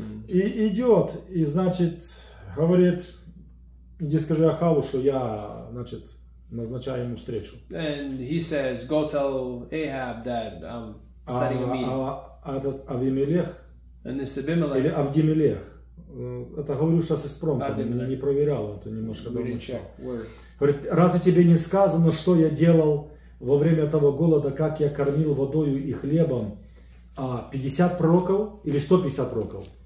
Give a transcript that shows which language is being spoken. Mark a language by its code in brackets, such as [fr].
[ru] И идет, и значит, говорит, иди скажи Ахаву, что я, значит, назначаю ему встречу. [en] And he says, go tell Ahab that I'm setting a meeting. [ru] А этот Авимелех? [en] And this Abimelech. [ru] Или Авдимелех. Это говорю сейчас испромтом, не проверял, это немножко домучал. Говорит, разве тебе не сказано, что я делал во время того голода, как я кормил водою и хлебом 50 пророков или 150 пророков?